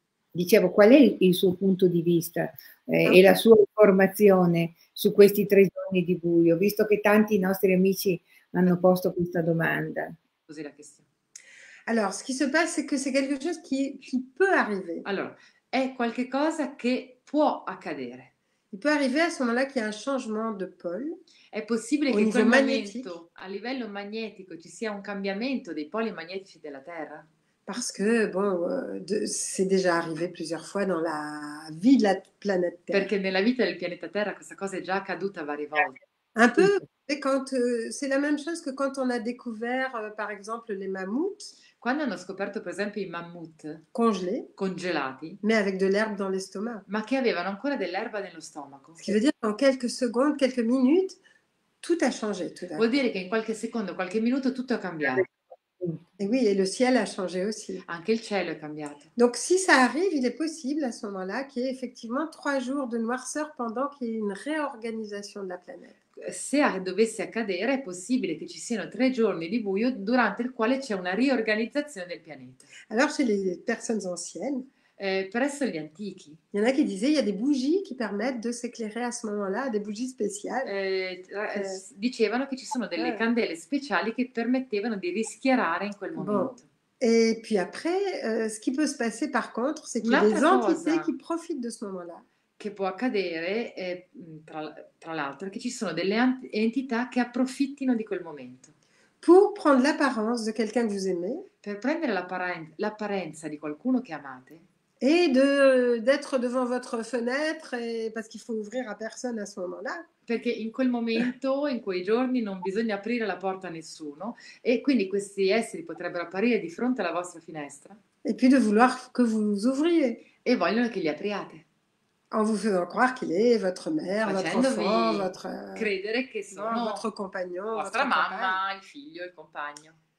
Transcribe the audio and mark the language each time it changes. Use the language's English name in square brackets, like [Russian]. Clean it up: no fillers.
[Italian] Dicevo, qual è il suo punto di vista e la sua informazione su questi 3 giorni di buio, visto che tanti nostri amici hanno posto questa domanda. Così la questione. [French] Allora, ce qui se passe, c'est que c'est quelque chose qui peut arriver. [Italian] Allora, è qualcosa che può accadere. [French] Il peut arriver à ce moment-là qu'il y a un changement de pôle. [Italian] È possibile che in quel momento, a livello magnetico, ci sia un cambiamento dei poli magnetici della Terra? [French] parce que bon, c'est déjà arrivé plusieurs fois dans la vie de la planète Terre. [Italian] Perché nella vita del pianeta Terra questa cosa è già accaduta varie volte. [French] Un peu, et quand c'est la même chose que quand on a découvert par exemple les mammouths. [Italian] Quando hanno scoperto per esempio i mammut [French] congelés, [Italian] congelati, [French] mais avec de l'herbe dans l'estomac. [Italian] Ma che avevano ancora dell'erba nello stomaco. [French] Ce qui veut dire en quelques secondes, quelques minutes, tout a changé tout d'un. [Italian] Vuol dire che in qualche secondo, qualche minuto tutto è cambiato. [French] Et oui, et le ciel a changé aussi. [Italian] Anche il cielo è cambiato. [French] Donc si ça arrive, il est possible à ce moment-là qu'il y ait effectivement trois jours de noirceur pendant qu'il y ait une réorganisation de la planète. [Italian] Se dovesse accadere, è possibile che ci siano tre giorni di buio durante il quale c'è una riorganizzazione del pianeta. [French] Alors chez les personnes anciennes, [Italian] presso gli antichi, [French] il y en a qui disaient il y a des bougies qui permettent de s'éclairer à ce moment-là, des bougies spéciales. [Italian] Dicevano che ci sono delle candele speciali che permettevano di rischiarare in quel momento. [French] Bon. Et puis après, ce qui peut se passer par contre, c'est qu'il y a des entités qui profitent de ce moment-là. [Italian] Che può accadere, tra l'altro, che ci sono delle entità che approfittino di quel momento. [French] Pour prendre l'apparence de quelqu'un que vous aimez. [Italian] Per prendere l'apparenza di qualcuno che amate. [French] Et d'être devant votre fenêtre, parce qu'il faut ouvrir à personne à ce moment-là. [Italian] Perché in quel momento, in quei giorni, non bisogna aprire la porta a nessuno. E quindi questi esseri potrebbero apparire di fronte alla vostra finestra. [French] Et puis de vouloir que vous ouvriez. [Italian] E vogliono che li apriate. [French] En vous faisant croire qu'il est votre mère, [Italian] facendovi [French] votre enfant, votre, [Italian] credere che sono [French] votre compagnon, [Italian] vostra mamma, il figlio, il compagno.